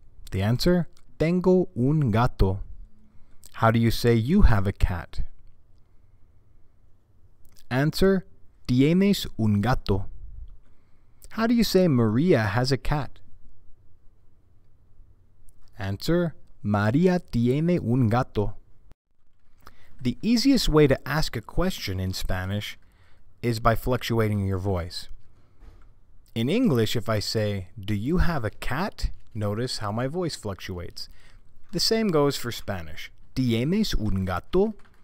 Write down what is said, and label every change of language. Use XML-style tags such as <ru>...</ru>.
<en>The answer,</en> <es>tengo un gato.</es> <en>How do you say you have a cat? Answer,</en> <es>tienes un gato.</es> <en>How do you say Maria has a cat?</en> <es>Answer, Maria tiene un gato.</es> <en>The easiest way to ask a question in Spanish is by fluctuating your voice. In English, if I say, do you have a cat? Notice how my voice fluctuates. The same goes for Spanish.</en> <es>¿Tienes un gato?</es>